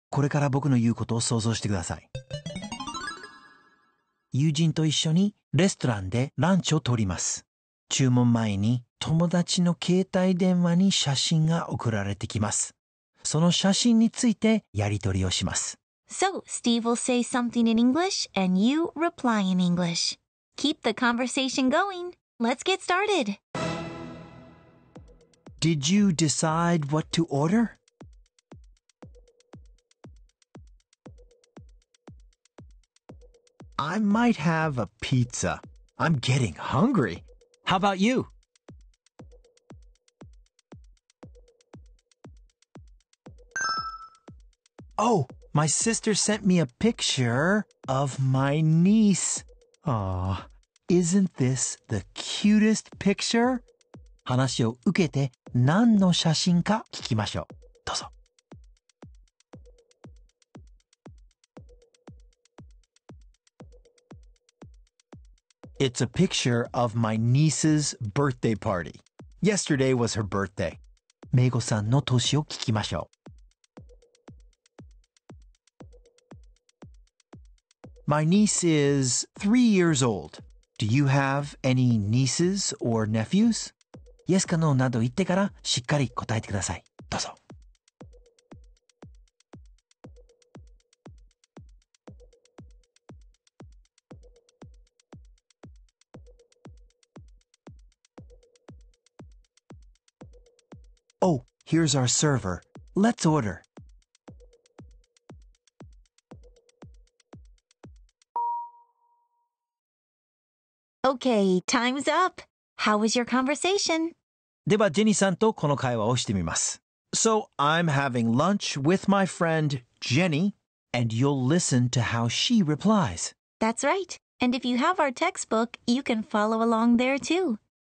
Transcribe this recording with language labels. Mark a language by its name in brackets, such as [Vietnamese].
[Japanese] これから僕の言うことを想像してください。友人と一緒にレストランでランチを取ります。注文前に友達の携帯電話に写真が送られてきます。その写真についてやり取りをします。 [English] So, Steve will say something in English and you reply in English. Keep the conversation going. Let's get started. Did you decide what to order? I might have a pizza. I'm getting hungry. How about you? Oh, my sister sent me a picture of my niece. Aw, isn't this the cutest picture? [Japanese] 話を受けて何の写真か聞きましょう。どうぞ。 [English] It's a picture of my niece's birthday party. Yesterday was her birthday. [Japanese] メイコさんの年を聞きましょう。 [English] My niece is 3 years old. Do you have any nieces or nephews? [Japanese] Yes かノーなど言ってからしっかり答えてください。どうぞ。 [English] Oh, here's our server. Let's order. Okay, time's up. How was your conversation? では、ジェニーさんとこの会話をしてみます。 So, I'm having lunch with my friend Jenny, and you'll listen to how she replies. That's right. And if you have our textbook, you can follow along there too.